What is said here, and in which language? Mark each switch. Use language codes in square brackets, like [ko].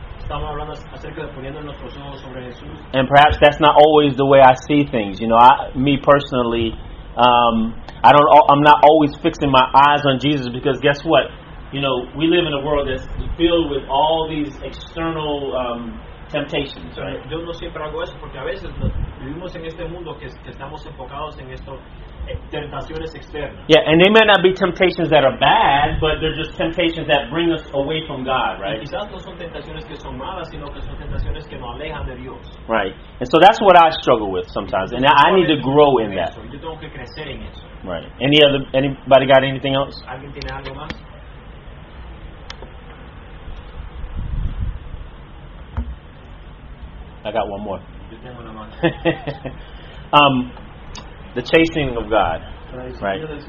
[en] And perhaps that's not always the way I see things. You know, I'm not always fixing my eyes on Jesus because guess what? You know, we live in a world that's filled with all these external temptations. [es] Yo no siempre hago eso porque a veces vivimos en este mundo que estamos enfocados en estos tentaciones externas. [en] Yeah, and they may not be temptations that are bad, but they're just temptations that bring us away from God, right? [es] Y quizás no son tentaciones que son malas, sino que son tentaciones que nos alejan de Dios. [en] Right, and so that's what I struggle with sometimes, and I need to grow in that. [es] Yo tengo que crecer en eso. [en] Right. Any other? Anybody got anything else? [es] ¿Alguien tiene algo más? [en] I got one more. The chastening of God, right?